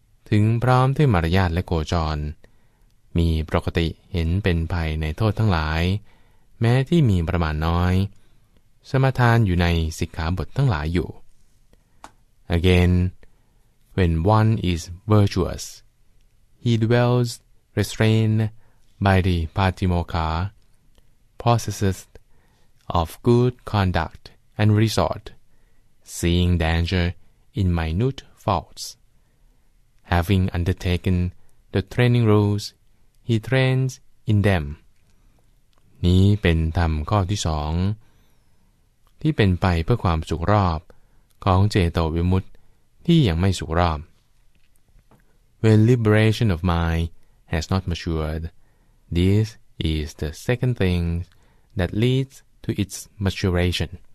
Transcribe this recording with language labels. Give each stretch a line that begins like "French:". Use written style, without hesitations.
Thai: ถึงพร้อมด้วยมารยาทและโคจรมีปกติเห็นเป็นภัยในโทษทั้งหลายแม้ที่มีประมาณน้อยสมาทานอยู่ในสิกขาบททั้งหลายอยู่
English: Again, when one is virtuous, he dwells restrained by the Patimokkha, possesses of good conduct and resort, seeing danger in minute faults. Having undertaken the training rules,He trains in them.
Thai: นี้เป็นธรรมข้อที่สองที่เป็นไปเพื่อความสุขรอบของเจโตวิมุตติที่ยังไม่สุขรอบ
English: When liberation of mind has not matured, this is the second thing that leads to its maturation.